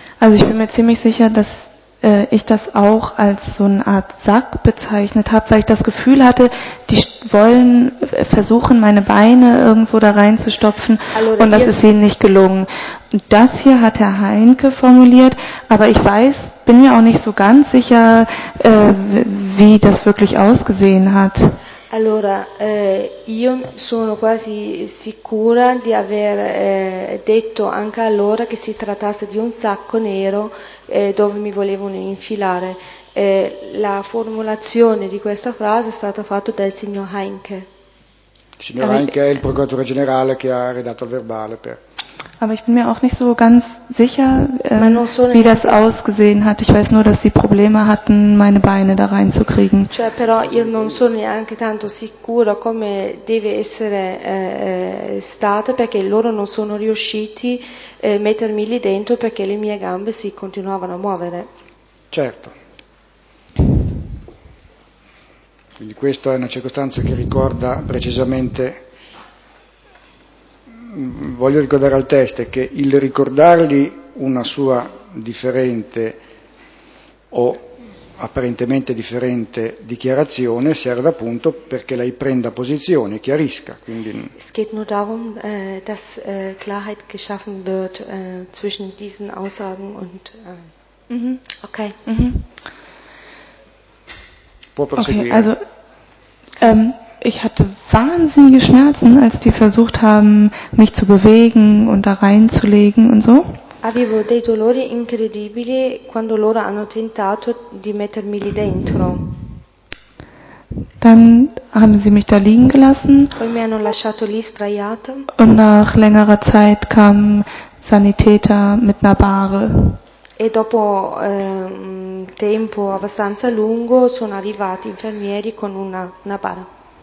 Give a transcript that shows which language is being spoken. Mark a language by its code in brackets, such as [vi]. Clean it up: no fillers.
[de] Also ich bin mir ziemlich sicher, dass ich das auch als so eine Art Sack bezeichnet habe, weil ich das Gefühl hatte, die wollen versuchen, meine Beine irgendwo da reinzustopfen und das ist ihnen nicht gelungen. Das hier hat Herr Heinke formuliert, aber ich weiß, bin mir auch nicht so ganz sicher, wie das wirklich ausgesehen hat. [it] Allora, io sono quasi sicura di aver detto anche allora che si trattasse di un sacco nero dove mi volevano infilare. La formulazione di questa frase è stata fatta dal signor Heinke. Signora anche il procuratore generale che ha redatto il verbale per. [de] Aber ich bin mir auch nicht so ganz sicher, wie das ausgesehen hat. Ich weiß nur, dass sie Probleme hatten, meine Beine da reinzukriegen. [it] Cioè, però io non sono neanche tanto sicuro come deve essere stato, perché loro non sono riusciti mettermi lì dentro, perché le mie gambe si continuavano a muovere. Certo. Quindi questa è una circostanza che ricorda precisamente. Voglio ricordare al test che il ricordargli una sua differente o apparentemente differente dichiarazione serve appunto perché lei prenda posizione, chiarisca. Quindi. [de] Es geht nur darum, dass Klarheit geschaffen wird zwischen diesen Aussagen und. Okay. [it] Può proseguire. [de] Okay, also. Ich hatte wahnsinnige Schmerzen, als die versucht haben, mich zu bewegen und da reinzulegen und so. [it] Avevo dei dolori incredibili quando loro hanno tentato di mettermi lì dentro. [de] Dann haben sie mich da liegen gelassen. [it] Poi mi hanno lasciato lì sdraiata. [de] Und nach längerer Zeit kamen Sanitäter mit einer Bahre. [it] E dopo tempo abbastanza lungo sono arrivati infermieri con una bara.